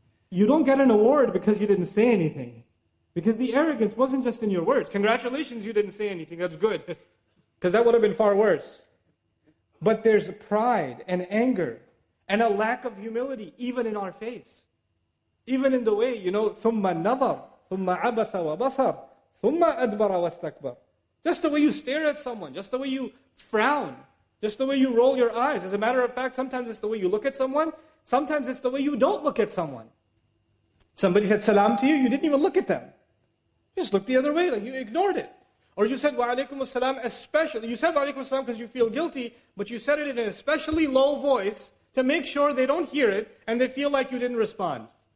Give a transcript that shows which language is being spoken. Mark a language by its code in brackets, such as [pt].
[en] You don't get an award because you didn't say anything. Because the arrogance wasn't just in your words. Congratulations, you didn't say anything. That's good. Because that would have been far worse. But there's pride and anger and a lack of humility even in our face. Even in the way, you know, [ar] ثُمَّ نَظَرْ ثُمَّ عَبَسَ وَبَصَرْ ثُمَّ أَدْبَرَ وَاسْتَكْبَرْ. [en] Just the way you stare at someone, just the way you frown, just the way you roll your eyes. As a matter of fact, sometimes it's the way you look at someone, sometimes it's the way you don't look at someone. Somebody said salam to you, you didn't even look at them. You just looked the other way, like you ignored it. Or you said wa alaykum as-salam especially. You said wa alaykum as-salam because you feel guilty, but you said it in an especially low voice to make sure they don't hear it and they feel like you didn't respond.